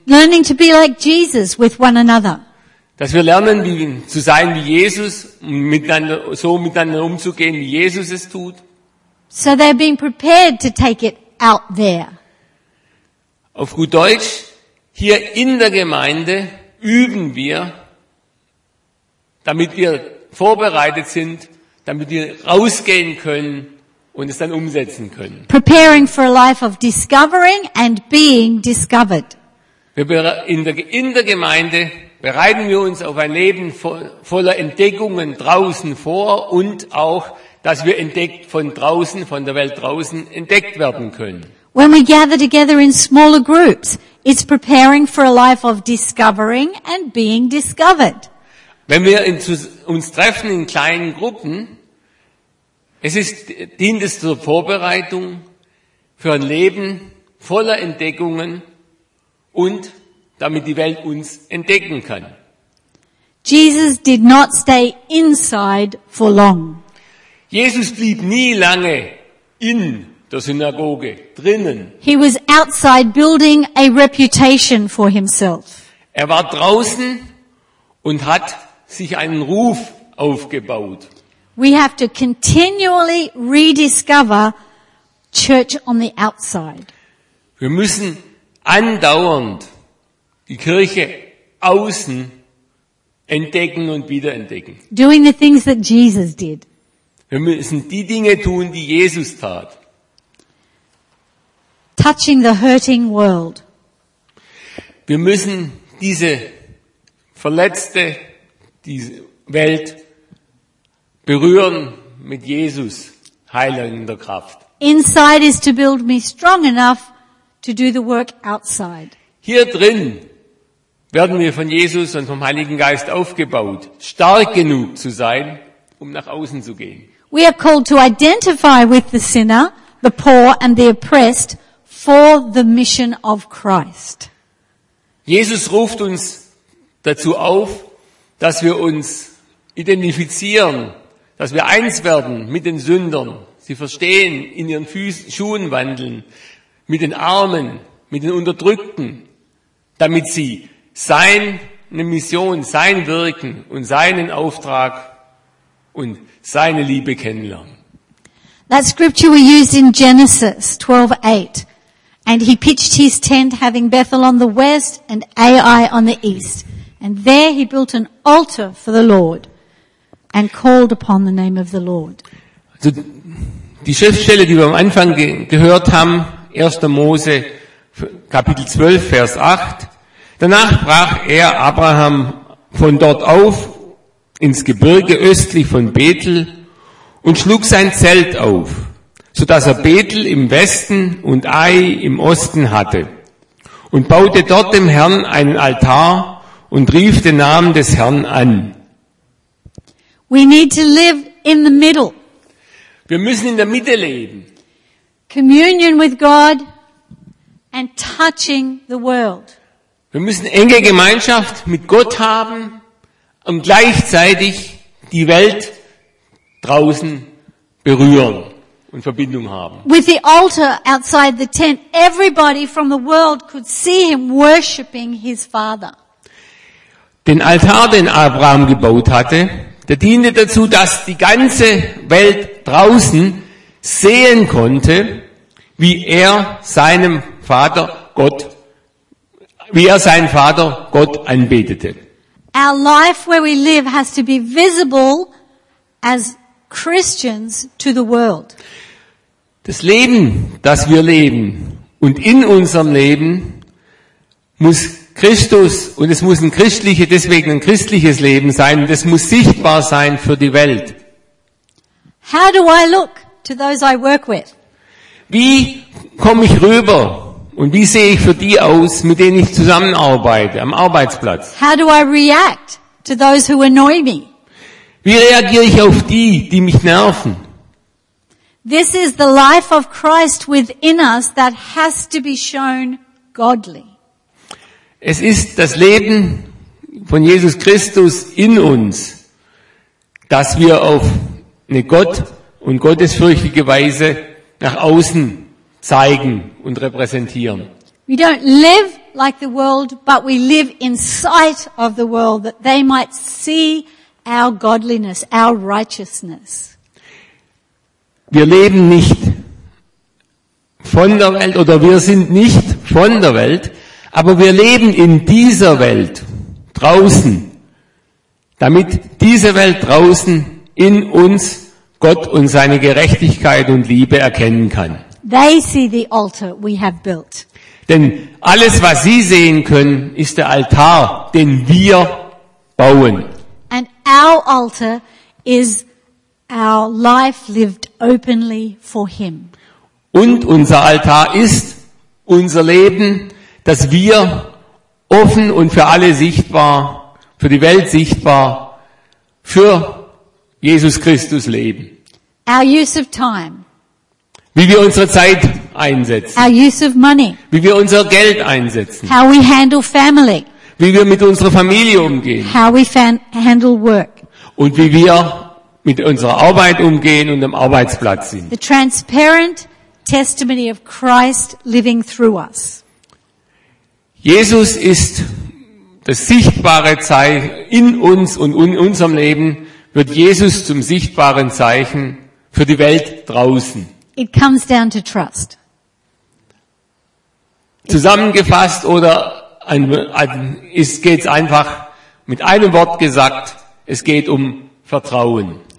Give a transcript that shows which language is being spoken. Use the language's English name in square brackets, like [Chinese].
[English] Learning to be like Jesus with one another. [German] Dass wir lernen, zu sein wie Jesus, so miteinander umzugehen, wie Jesus es tut. [English] So they're being prepared to take it out there. [German] Auf gut Deutsch, hier in der Gemeinde üben wir, damit wir vorbereitet sind, damit wir rausgehen können und es dann umsetzen können. [English] Preparing for a life of discovering and being discovered. [German] In der Gemeinde bereiten wir uns auf ein Leben voller Entdeckungen draußen vor und auch, dass wir entdeckt von draußen, von der Welt draußen entdeckt werden können. [English] When we gather together in smaller groups, it's preparing for a life of discovering and being discovered. [German] Wenn wir uns treffen in kleinen Gruppen, dient es zur Vorbereitung für ein Leben voller Entdeckungen und damit die Welt uns entdecken kann. [English] Jesus did not stay inside for long. [German] Jesus blieb nie lange in der Synagoge drinnen. [English] He was outside building a reputation for himself. [German] Er war draußen und hat sich einen Ruf aufgebaut. [English] We have to continually rediscover church on the outside. [German] Wir müssen andauernd die Kirche außen entdecken und wiederentdecken. [English] Doing the things that Jesus did. [German] Wir müssen die Dinge tun, die Jesus tat. [English] Touching the hurting world. [German] Wir müssen diese verletzte diese Welt berühren mit Jesus, heilender Kraft. [English] Inside is to build me strong enough to do the work outside. [German] Hier drin werden wir von Jesus und vom Heiligen Geist aufgebaut, stark genug zu sein, um nach außen zu gehen. [English] We are called to identify with the sinner, the poor and the oppressed for the mission of Christ. [German] Jesus ruft uns dazu auf, dass wir uns identifizieren, dass wir eins werden mit den Sündern, Sie verstehen, in ihren Schuhen wandeln, mit den Armen, mit den Unterdrückten, damit sie seine Mission, sein Wirken und seinen Auftrag und seine Liebe kennenlernen. [English] That scripture we used in Genesis 12:8. And he pitched his tent, having Bethel on the west and Ai on the east. And there he built an altar for the Lord and called upon the name of the Lord. [German] Also, die Schriftstelle, die wir am Anfang gehört haben, 1. Mose, Kapitel 12, Vers 8. Danach brach er Abraham von dort auf ins Gebirge östlich von Bethel und schlug sein Zelt auf, so dass er Bethel im Westen und Ai im Osten hatte, und baute dort dem Herrn einen Altar und rief den Namen des Herrn an. [English] We need to live in the middle. [German] Wir müssen in der Mitte leben. [English] Communion with God and touching the world. [German] Wir müssen enge Gemeinschaft mit Gott haben und gleichzeitig die Welt draußen berühren und Verbindung haben. [English] With the altar outside the tent, everybody from the world could see him worshiping his father. [German] Den Altar, den Abraham gebaut hatte, der diente dazu, dass die ganze Welt draußen sehen konnte, wie er seinem Vater Gott, wie er seinen Vater Gott anbetete. [English] Our life where we live has to be visible as Christians to the world. [German] Das Leben, das wir leben und in unserem Leben muss Christus und es muss ein christliches Leben sein, und es muss sichtbar sein für die Welt. [English] How do I look to those I work with? [German] Wie komme ich rüber und wie sehe ich für die aus, mit denen ich zusammenarbeite am Arbeitsplatz? [English] How do I react to those who annoy me? [German] Wie reagiere ich auf die, die mich nerven? [English] This is the life of Christ within us that has to be shown godly. [German] Es ist das Leben von Jesus Christus in uns, das wir auf eine Gott- und gottesfürchtige Weise nach außen zeigen und repräsentieren. [English] We don't live like the world, but we live in sight of the world, that they might see our godliness, our righteousness. [German] Wir leben nicht von der Welt oder wir sind nicht von der Welt, aber wir leben in dieser Welt draußen, damit diese Welt draußen in uns Gott und seine Gerechtigkeit und Liebe erkennen kann. [English] They see the altar we have built. [German] Denn alles, was sie sehen können, ist der Altar, den wir bauen. [English] And our altar is our life lived openly for him. [German] Und unser Altar ist unser Leben, das wir offen und für alle sichtbar, für die Welt sichtbar, für Jesus Christus leben. [English] Our use of time. [German] Wie wir unsere Zeit einsetzen. [English] Our use of money. [German] Wie wir unser Geld einsetzen. [English] How we handle family. [German] Wie wir mit unserer Familie umgehen. [English] How we handle work. [German] Und wie wir mit unserer Arbeit umgehen und am Arbeitsplatz sind. [English] The transparent testimony of Christ living through us. [German] Jesus ist das sichtbare Zeichen in uns und in unserem Leben wird Jesus zum sichtbaren Zeichen für die Welt draußen. [English] It comes down to trust. [German] Zusammengefasst oder geht's einfach mit einem Wort gesagt, es geht um Vertrauen.